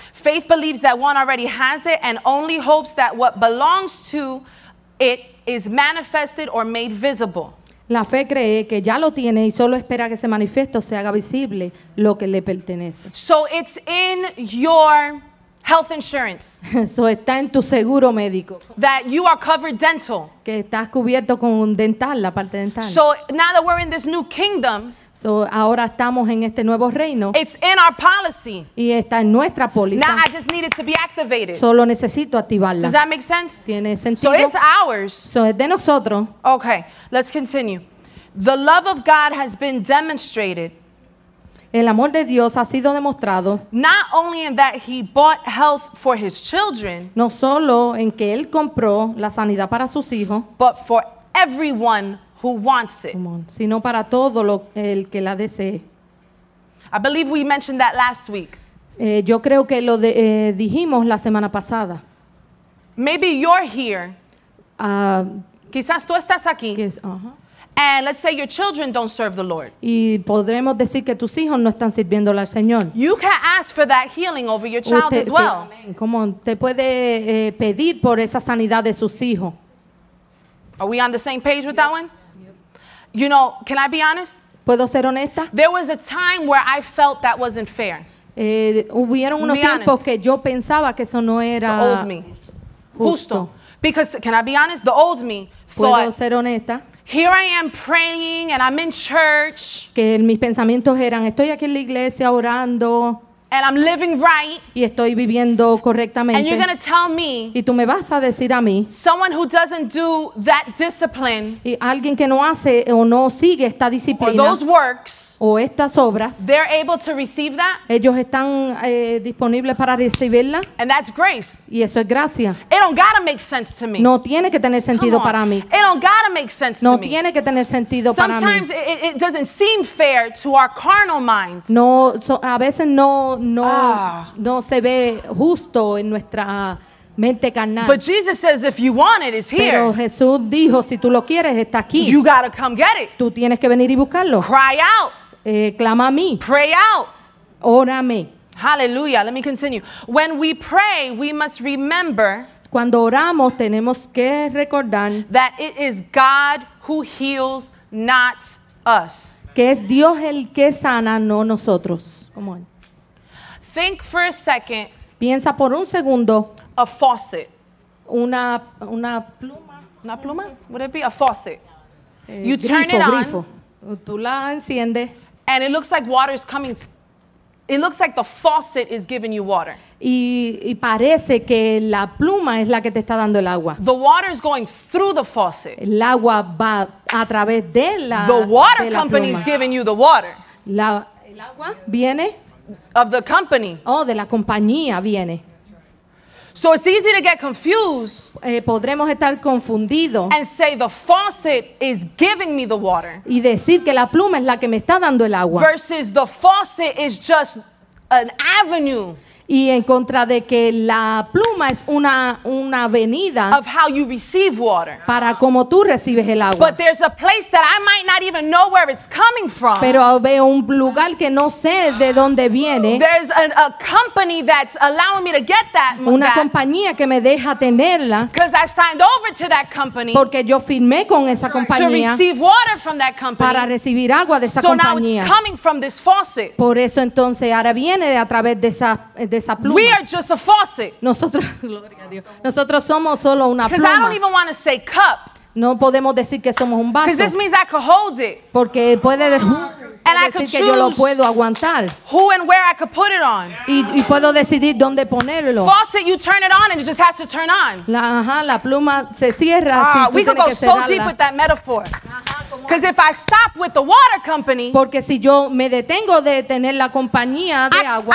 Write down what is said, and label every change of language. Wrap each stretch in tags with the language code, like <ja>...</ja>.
<en>Faith believes that one already has it and only hopes that what belongs to it is manifested or made visible.</en> <es>La fe cree que ya lo tiene y solo espera que se manifieste o se haga visible lo que le pertenece.</es> <en>So it's in your health insurance.</en> <es>So está en tu seguro médico.</es> <en>That you are covered dental.</en> <es>Que estás cubierto con un dental, la parte dental.</es> <en>So now that we're in this new kingdom,</en> <es>so ahora estamos en este nuevo reino.</es> <en>It's in our policy.</en> <es>Y está en nuestra póliza.</es> <en>Now I just need it to be activated.</en> <es>Solo necesito activarla.</es> <en>Does that make sense?</en> <es>¿Tiene sentido?</es> <en>So it's ours.</en> <es>So es de nosotros.</es> <en>Okay, let's continue. The love of God has been demonstrated.</en> <es>El amor de Dios ha sido demostrado.</es> <en>Not only in that he bought health for his children.</en> <es>No solo en que él compró la sanidad para sus hijos.</es> <en>But for everyone who wants it.</en> <es>Sino para todo lo, el que la desee.</es> <en>I believe we mentioned that last week.</en> <es>Yo creo que lo de, dijimos la semana pasada.</es> <en>Maybe you're here.</en> <es>Quizás tú estás aquí.</es> <en>And let's say your children don't serve the Lord.</en> <es>Y podremos decir que tus hijos no están sirviéndole al Señor.</es> <en>You can ask for that healing over your child</en> <es>usted,</es> <en>as well.</en> <es>Sí,</es> <en>come on,</en> <es>te puede pedir por esa sanidad de sus hijos.</es> <en>Are we on the same page with that one? You know, can I be honest?</en> <es>¿Puedo ser honesta?</es> <en>There was a time where I felt that wasn't fair.</en> <es>Hubieron unos tiempos que yo pensaba que eso no era</es> <en>the old me.</en> <es>Justo.</es> <en>Because, can I be honest? The old me</en> <es>¿Puedo</es> <en>thought,</en> <es>ser honesta?</es> <en>Here I am praying and I'm in church.</en> <es>Que mis pensamientos eran, estoy aquí en la iglesia orando.</es> <en>And I'm living right.</en> <es>Y estoy viviendo correctamente.</es> <en>And you're going to tell me.</en> <es>Y tú me vas a decir a mí.</es> <en>Someone who doesn't do that discipline.</en> <es>Y alguien que no hace o no sigue esta disciplina.</es> <en>Or those works.</en> <es>O estas obras.</es> <en>They're able to receive that.</en> <es>Ellos están disponibles para recibirla.</es> <en>And that's grace.</en> <es>Y eso es gracia.</es> <en>It don't gotta make sense to me.</en> <es>No tiene que tener sentido para mí.</es> <en>It don't gotta make sense</en> <es>no</es> <en>to me.</en> <es>No tiene que tener sentido</es> <en>sometimes</en> <es>para mí.</es> <en>Sometimes it doesn't seem fair to our carnal minds.</en> <es>No, so, a veces no se ve justo en nuestra mente carnal.</es> <en>But Jesus says if you want it, it's here.</en> <es>Pero Jesús dijo si tú lo quieres está aquí.</es> <en>You gotta come get it.</en> <es>Tú tienes que venir y buscarlo.</es> <en>Cry out.</en> <es>Clama a mí.</es> <en>Pray out.</en> <es>Órame.</es> <en>Hallelujah. Let me continue. When we pray, we must remember.</en> <es>Cuando oramos, tenemos que recordar</es> <en>that it is God who heals, not us.</en> <es>Que es Dios el que sana, no nosotros.</es> <en>Come on. Think for a second.</en> <es>Piensa por un segundo.</es> <en>A faucet.</en> <es>Una pluma. Una pluma.</es> <en>Would it be a faucet? You turn</en> <es>grifo, it grifo. On. Tú la enciendes.</es> <en>And it looks like water is coming. It looks like the faucet is giving you water.</en> <es>Y parece que la pluma es la que te está dando el agua.</es> <en>The water is going through the faucet.</en> <es>El agua va a través de la</es> <en>The water company is giving you the water.</en> <es>La, el agua viene.</es> <en>Of the company.</en> <es>Oh, de la compañía viene.</es> <en>So it's easy to get confused.</en> <es>Podremos estar confundidos.</es> <en>And say the faucet is giving me the water.</en> <es>Y decir que la pluma es la que me está dando el agua.</es> <en>Versus the faucet is just an avenue.</en> <es>Y en contra de que la pluma es una avenida.</es> <en>Of how you receive water.</en> <es>Para cómo tú recibes el agua.</es> <en>But there's a place that I might not even know where it's coming from.</en> <es>Pero veo un lugar que no sé de dónde viene.</es> <en>There's a company that's allowing me to get that.</en> <es>Una compañía que me deja tenerla.</es> <en>Because I signed over to that company.</en> <es>Porque yo firmé con esa compañía.</es> <en>To receive water from that company.</en> <es>Para recibir agua de esa</es> <en>so</en> <es>compañía.</es> <en>So now it's coming from this faucet.</en> <es>Por eso entonces ahora viene a través de esa De esa pluma.</es> <en>We are just a faucet.</en> <es>Nosotros, gloria a Dios. Nosotros somos solo una pluma.</es> <en>Because I don't even want to say cup.</en> <es>No podemos decir que somos un vaso.</es> <en>Because this means I could hold it.</en> <es>Porque puede</es> <en>and</en> <es>decir que yo lo puedo aguantar.</es> <en>Who and where I could put it on.</en> <es>Y puedo decidir dónde ponerlo.</es> <en>Faucet, you turn it on and it just has to turn on.</en> <es>La pluma se cierra.</es> <en>We could go</en> <es>que</es> <en>so deep with that metaphor. Because if I stop with the water company,</en> <es>porque si yo me detengo de tener la compañía de agua,</es>